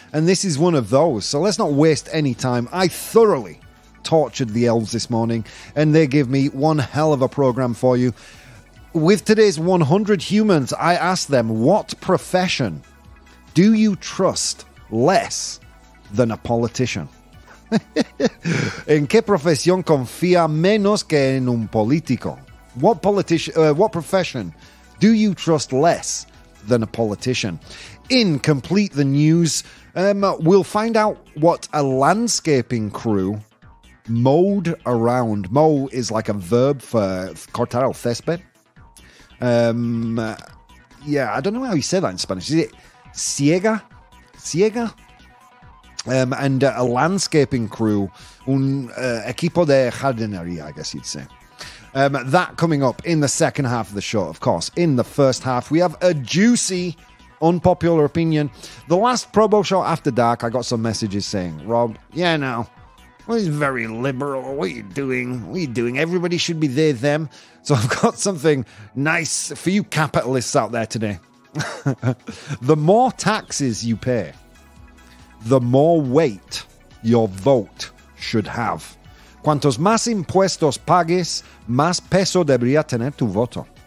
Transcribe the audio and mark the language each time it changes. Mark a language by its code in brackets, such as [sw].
[en] And this is one of those. So let's not waste any time. I thoroughly tortured the elves this morning, and they give me one hell of a program for you. With today's 100 humans, I asked them, what profession do you trust less than a politician? [es] ¿En qué profesión confía menos que en un político? [en] What profession do you trust less than a politician? In Complete the News, we'll find out what a landscaping crew mowed around. Mow is like a verb for [es] cortar el césped. [en] I don't know how you say that in Spanish. Is it ciega? Ciega? A landscaping crew, [es] equipo de jardinería, [en] I guess you'd say. That coming up in the second half of the show, of course. In the first half, we have a juicy, unpopular opinion. The last Provo Show After Dark, I got some messages saying, Rob, yeah, no, well, he's very liberal. What are you doing? What are you doing? Everybody should be they, them. So I've got something nice for you capitalists out there today. The more taxes you pay, the more weight your vote should have. [es] Cuantos más impuestos pagues, más peso debería tener tu voto.